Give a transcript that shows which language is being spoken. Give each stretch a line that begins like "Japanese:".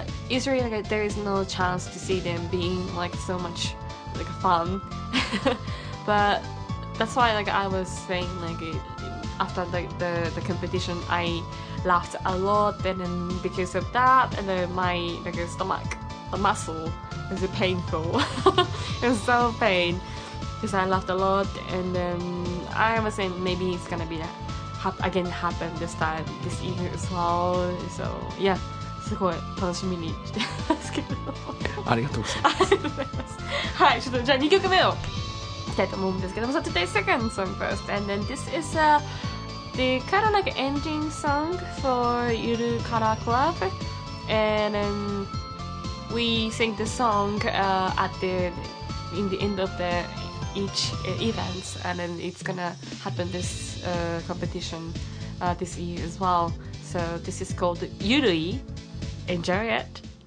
English: It's really like there is no chance to see them being like so much like fun, but that's why like I was saying like after the competition I laughed a lot then because of that and then my like stomach the muscle is painful it's so pain because I laughed a lot and then I was saying maybe it's gonna be again happen this time this evening as well so yeah.
Japanese: すごい楽しみにしてますけどありがとうございますはいちょっとじゃあ2曲目をいきたいと思うんですけども
English: So today's second song first And then this is the kind of like ending song for Yuru Kara Club And then we sing the song at the in the end of the each event And then it's gonna happen this competition this year as well So this is called Yurui Enjoy it.